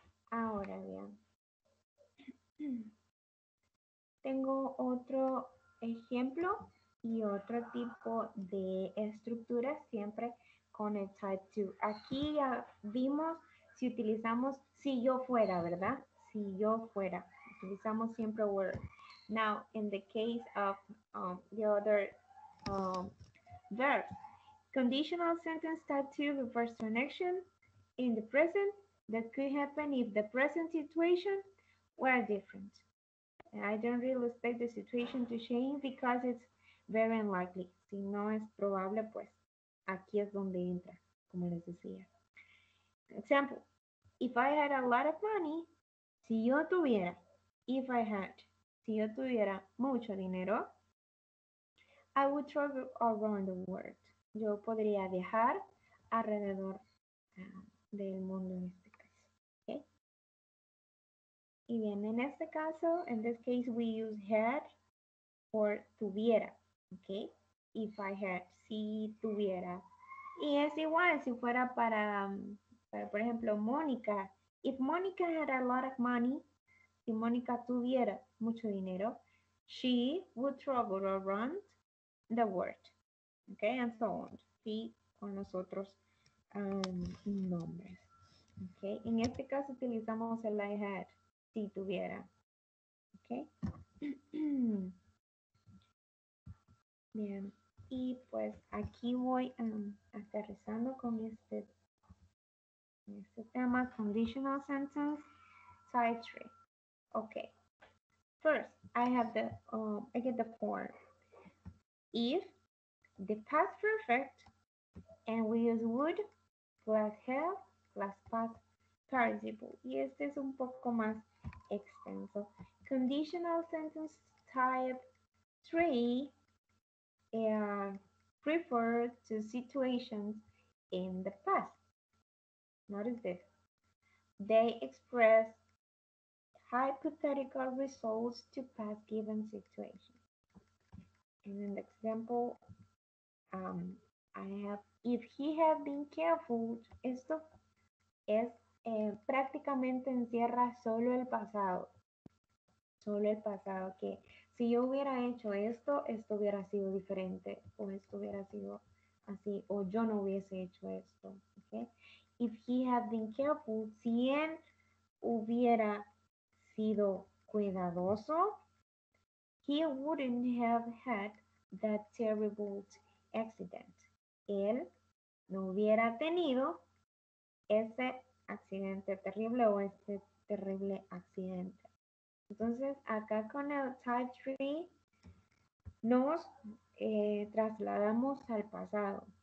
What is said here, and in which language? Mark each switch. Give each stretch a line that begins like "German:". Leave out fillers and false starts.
Spanish: Ahora bien, tengo otro ejemplo y otro tipo de estructura, siempre con el type 2. Aquí ya vimos si utilizamos si yo fuera, ¿verdad? Si yo fuera, utilizamos siempre word.
English: Now, in the case of the other verb, conditional sentence type 2 refers to an action in the present that could happen if the present situation were different. And I don't really expect the situation to change because it's very unlikely.
Spanish: Si no es probable, pues aquí es donde entra, como les decía.
English: Example, if I had a lot of money,
Spanish: si yo tuviera,
English: if I had,
Spanish: si yo tuviera mucho dinero,
English: I would travel around the world.
Spanish: Yo podría viajar alrededor del mundo en este caso.
English: Okay.
Spanish: Y bien, en este caso,
English: in this case, we use had for tuviera. Okay. If I had,
Spanish: si tuviera. Y es igual si fuera para por ejemplo, Mónica.
English: If Mónica had a lot of money,
Spanish: si Mónica tuviera mucho dinero,
English: she would travel around the world. Okay, and so on.
Spanish: Y con los otros nombres. Okay, en este caso utilizamos el
English: I had,
Spanish: si tuviera. Okay. Bien, y pues aquí voy aterrizando con este tema,
English: conditional sentence, type 3. Okay, first, I have the, I get the form. If the past perfect, and we use would plus have plus past participle.
Spanish: Y este es un poco más extenso.
English: Conditional sentence type 3 refers to situations in the past. Notice this. They express hypothetical results to past given situation. And in the example, I have, if he had been careful,
Spanish: esto es prácticamente encierra solo el pasado. Solo el pasado, que si yo hubiera hecho esto, esto hubiera sido diferente, o esto hubiera sido así, o yo no hubiese hecho esto. Okay?
English: If he had been careful,
Spanish: si él hubiera sido cuidadoso,
English: he wouldn't have had that terrible accident.
Spanish: Él no hubiera tenido ese accidente terrible o ese terrible accidente. Entonces, acá con el type 3, nos trasladamos al pasado.